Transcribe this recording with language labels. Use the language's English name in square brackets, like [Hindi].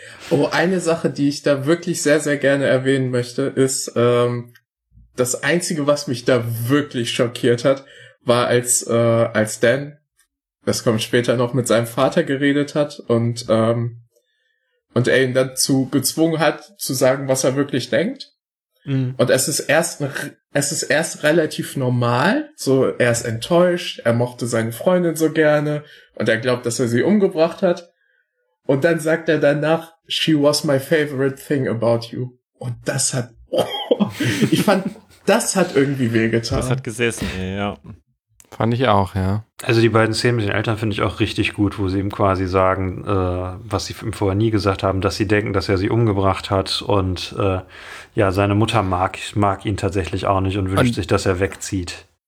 [German] Oh, eine Sache, die ich da wirklich sehr, sehr gerne erwähnen möchte, ist, das Einzige, was mich da wirklich schockiert hat, war, als Dan, das kommt später noch, mit seinem Vater geredet hat und er ihn dazu gezwungen hat, zu sagen, was er wirklich denkt. Und es ist erst relativ normal, so er ist enttäuscht, er mochte seine Freundin so gerne und er glaubt, dass er sie umgebracht hat. Und dann sagt er danach, [English] she was my favorite thing about you. [German] Und das hat, ich fand, das hat irgendwie wehgetan. Das hat gesessen, ja. Fand ich auch, ja. Also die beiden Szenen mit den Eltern finde ich auch richtig gut, wo sie ihm quasi sagen, was sie ihm vorher nie gesagt haben, dass sie denken, dass er sie umgebracht hat und ja, seine Mutter mag ihn tatsächlich auch nicht und wünscht sich, dass er wegzieht.